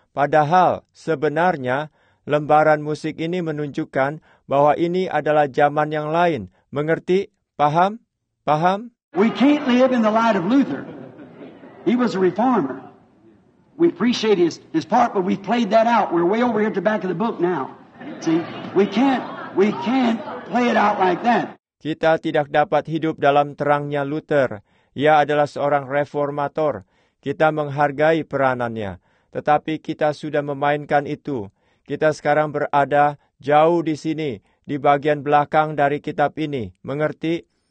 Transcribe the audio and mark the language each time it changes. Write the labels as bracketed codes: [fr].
[id] Padahal sebenarnya lembaran musik ini menunjukkan bahwa ini adalah zaman yang lain. Mengerti? Paham? Paham? [en] We can't live in the light of Luther. He was a reformer. We appreciate his part, but we've played that out. We're way over here at the back of the book now. See, we can't play it out like that. [id] Kita tidak dapat hidup dalam terangnya Luther. Ia adalah seorang reformator. Kita menghargai peranannya. Tetapi kita sudah memainkan itu. Kita sekarang berada jauh di sini, di bagian belakang dari kitab ini. Mengerti?